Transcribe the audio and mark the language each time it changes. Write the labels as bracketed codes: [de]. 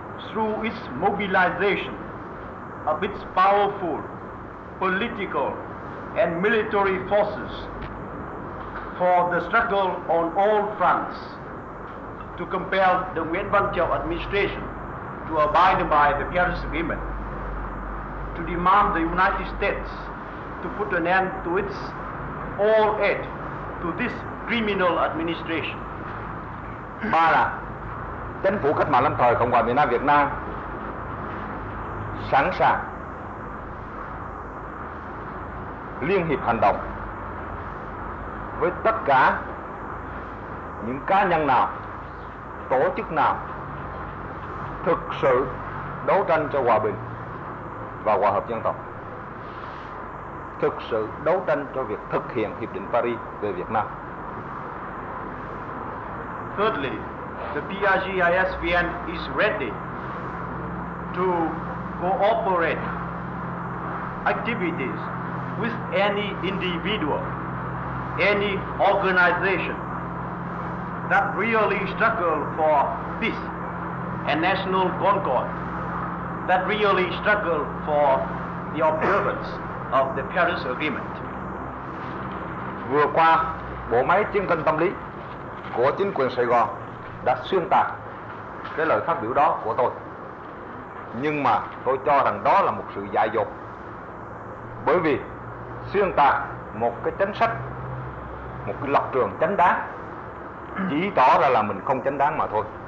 [en] through its mobilization of its powerful political and military forces for the struggle on all fronts to compel the Nguyễn Văn Chiểu administration to abide by the Paris Agreement, to demand the United States to put an end to its all aid to this criminal administration. [vi] Ba là chính phủ cách mạng lâm thời Cộng hòa miền Nam Việt Nam sẵn sàng liên hiệp hành động với tất cả những cá nhân nào, tổ chức nào thực sự đấu tranh cho hòa bình và hòa hợp dân tộc, thực sự đấu tranh cho việc thực hiện Hiệp định Paris về Việt Nam. [en] Thirdly, the PRGISVN is ready to cooperate activities with any individual, any organization that really struggle for peace and national concord, that really struggle for the observance of the Paris Agreement. [vi] Vừa qua, bộ máy chiến tranh tâm lý của chính quyền Sài Gòn đã xuyên tạc cái lời phát biểu đó của tôi. Nhưng mà tôi cho rằng đó là một sự dại dột, bởi vì xuyên tạc một cái chính sách, một cái lập trường chính đáng, chỉ tỏ ra là mình không chính đáng mà thôi.